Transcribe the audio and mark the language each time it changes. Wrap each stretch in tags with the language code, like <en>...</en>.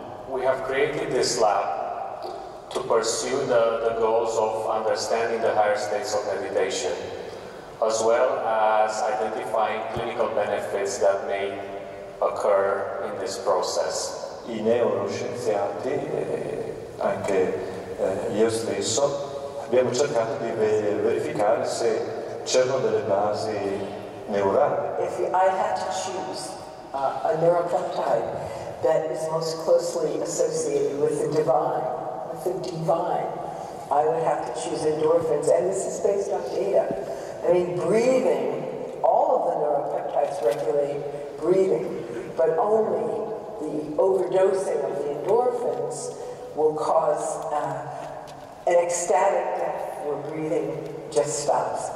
<en>We have created this lab to pursue the goals of understanding the higher states of meditation, as well as identifying clinical benefits that may occur in this process.</en> <it>I neuroscienziati, anche io stesso, abbiamo cercato di verificare se c'erano delle basi neurali.</it> <en>If I had to choose a neuropeptide that is most closely associated with the divine, I would have to choose endorphins, and this is based on data. I mean, breathing, all of the neuropeptides regulate breathing, but only the overdosing of the endorphins will cause an ecstatic death where breathing just stops.</en>